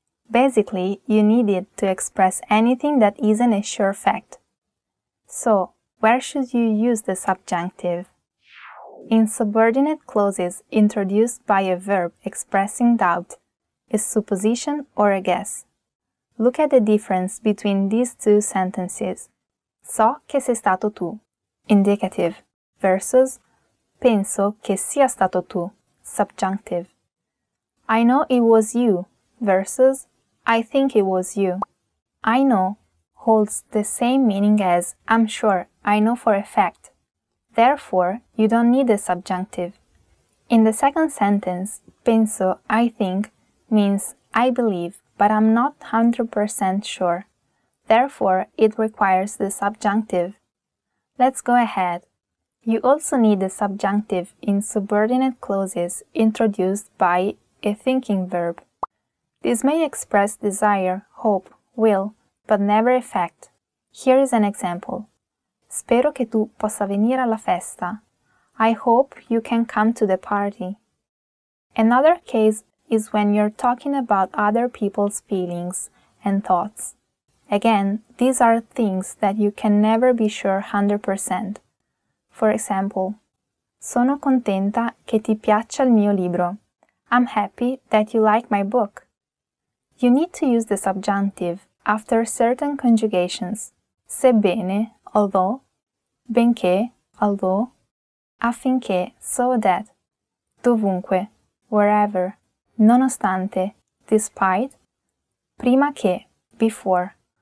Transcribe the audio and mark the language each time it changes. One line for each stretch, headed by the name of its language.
English: Basically, you need it to express anything that isn't a sure fact. So, where should you use the subjunctive? In subordinate clauses introduced by a verb expressing doubt, a supposition or a guess. Look at the difference between these two sentences.
Italian: So che sei stato tu, indicative, versus penso che sia stato tu, subjunctive.
English: I know it was you, versus I think it was you. I know holds the same meaning as I'm sure, I know for a fact. Therefore, you don't need a subjunctive. In the second sentence, penso, I think, means I believe, but I'm not 100% sure. Therefore, it requires the subjunctive. Let's go ahead. You also need the subjunctive in subordinate clauses introduced by a thinking verb. This may express desire, hope, will, but never effect. Here is an example.
Italian: Spero che tu possa venire alla festa.
English: I hope you can come to the party. Another case is when you're talking about other people's feelings and thoughts. Again, these are things that you can never be sure 100%. For example,
Italian: sono contenta che ti piaccia il mio libro.
English: I'm happy that you like my book. You need to use the subjunctive after certain conjugations.
Italian: Sebbene, although, benché, although, affinché, so that, dovunque, wherever, nonostante, despite, prima che, before.